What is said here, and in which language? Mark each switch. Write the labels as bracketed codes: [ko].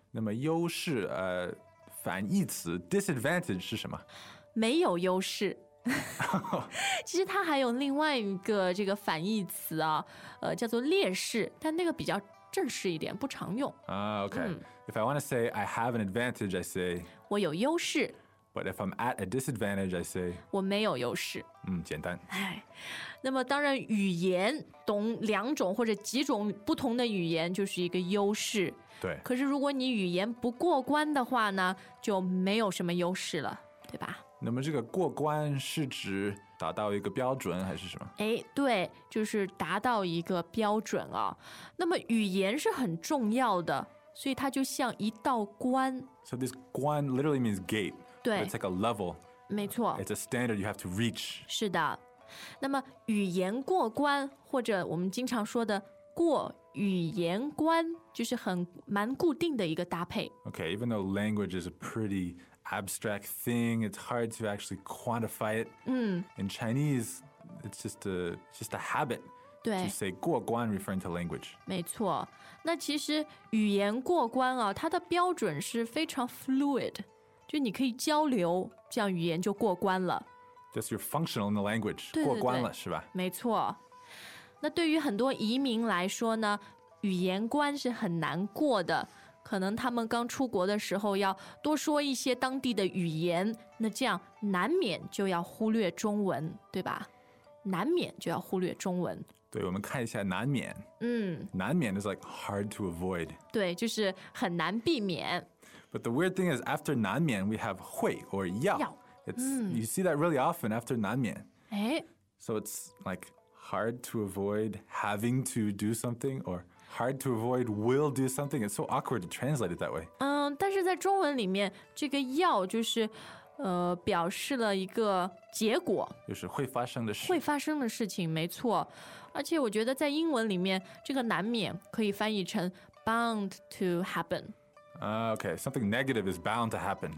[zh] 那么优势，反义词 disadvantage 是什么？没有优势。其实它还有另外一个这个反义词啊，叫做劣势，但那个比较正式一点，不常用。 [en] Okay.、嗯、If I want to say I have an advantage, I say [zh] 我有优势。 [en] But if I'm at a disadvantage, I say [zh] 我没有优势。嗯，简单。那么当然语言懂两种或者几种不同的语言就是一个优势。对。可是如果你语言不过关的话呢，就没有什么优势了，对吧？那么这个过关是指达到一个标准还是什么？哎，对，就是达到一个标准啊。那么语言是很重要的，所以它就像一道关。 [en] So this 关 literally means gate. [zh] 对。 [en] It's like a level. [zh] 没错。 [en] It's a standard you have to reach. [zh] 是的。那么语言过关，或者我们经常说的过语言关，就是很蛮固定的一个搭配。 [en] Okay, even though language is a pretty... abstract thing, it's hard to actually quantify it. In Chinese, it's just a habit to say 过关 referring to language. [zh] 没错，那其实语言过关啊，它的标准是非常 fluid, 就你可以交流，这样语言就过关了。 [en] Just you're functional in the language, [zh] 对对对，过关了是吧？没错。那对于很多移民来说呢，语言关是很难过的。可能他们刚出国的时候要多说一些当地的语言，那这样难免就要忽略中文，对吧？难免就要忽略中文。对，我们看一下难免。嗯， [en] 难免 is like hard to avoid. [zh] 对，就是很难避免。 [en] But the weird thing is after 难免 we have 会 or 要。 It's, you see that really often after 难免. So it's like hard to avoid having to do something orHard to avoid will do something. It's so awkward to translate it that way. [zh] 嗯，但是在中文里面，这个要就是，表示了一个结果，就是会发生的事。会发生的事情，没错。而且我觉得在英文里面，这个难免可以翻译成 bound to happen. [en] Okay, something negative is bound to happen.